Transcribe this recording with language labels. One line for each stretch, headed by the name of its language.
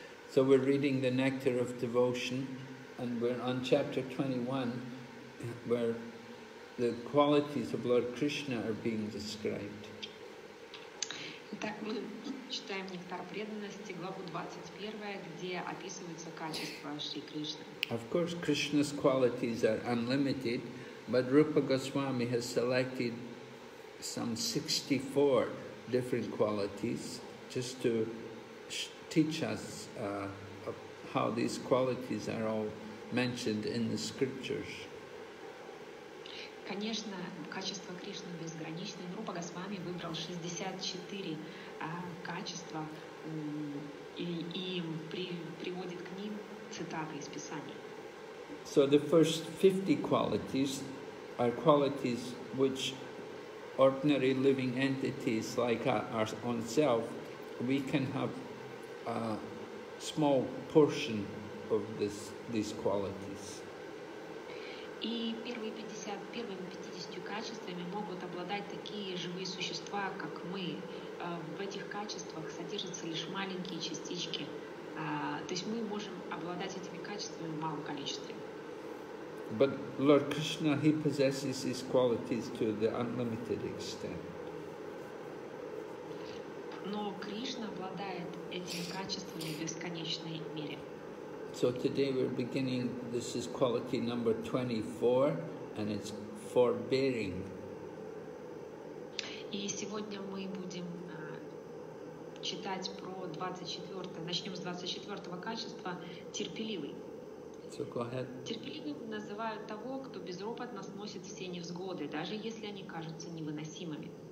English: So we're reading the Nectar of Devotion, and we're on chapter 21, where the qualities of Lord Krishna are being described.
Russian: Итак, мы читаем «Нектар преданности», главу 21, где описываются качества Шри Кришны.
English: Of course, Krishna's qualities are unlimited, but Rupa Goswami has selected some 64 different qualities just to teach us how these qualities are all mentioned in the scriptures.
Russian: Конечно, качество Кришны безгранично. Рупа Госвами выбрал 64 качества и приводит к ним цитаты из Писания.
English: So the first 50 qualities are qualities which ordinary living entities like our own self, we can have a small portion of these qualities.
Russian: И первыми 50 качествами могут обладать такие живые существа, как мы. В этих качествах содержатся лишь маленькие частички. То есть мы можем обладать этими качествами в малом количестве.
English: But Lord Krishna, he possesses these qualities to the unlimited extent.
Russian: Но Кришна обладает этими качествами в бесконечной мере.
English: So today we're beginning, this is quality number 24, and it's forbearing.
Russian: И сегодня мы будем читать про 24, начнем с 24 качества, терпеливый.
English: So go ahead.
Russian: Терпеливым называют того, кто безропотно сносит все невзгоды, даже если они кажутся невыносимыми.